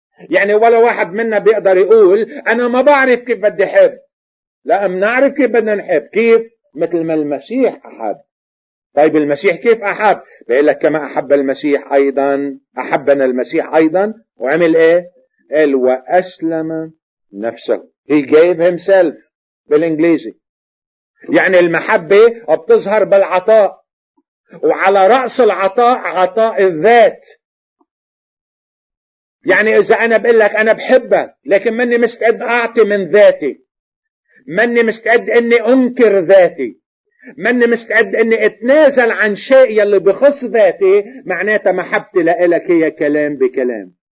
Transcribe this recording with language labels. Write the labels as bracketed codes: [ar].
[ar] يعني ولا واحد منا بيقدر يقول أنا ما بعرف كيف بدي أحب. لا، منعرف كيف بدنا نحب. كيف؟ مثل ما المسيح أحب. طيب المسيح كيف أحب؟ بيقول لك كما أحب المسيح أيضا، أحبنا المسيح أيضا وعمل إيه؟ قال وأسلم نفسه. [en] He gave himself [ar] بالانجليزي. يعني المحبة بتظهر بالعطاء، وعلى رأس العطاء عطاء الذات. يعني اذا انا بقول لك انا بحبك لكن ماني مستعد اعطي من ذاتي، ماني مستعد اني انكر ذاتي، ماني مستعد اني اتنازل عن شيء يلي بخص ذاتي، معناته محبتي لإلك هي كلام بكلام.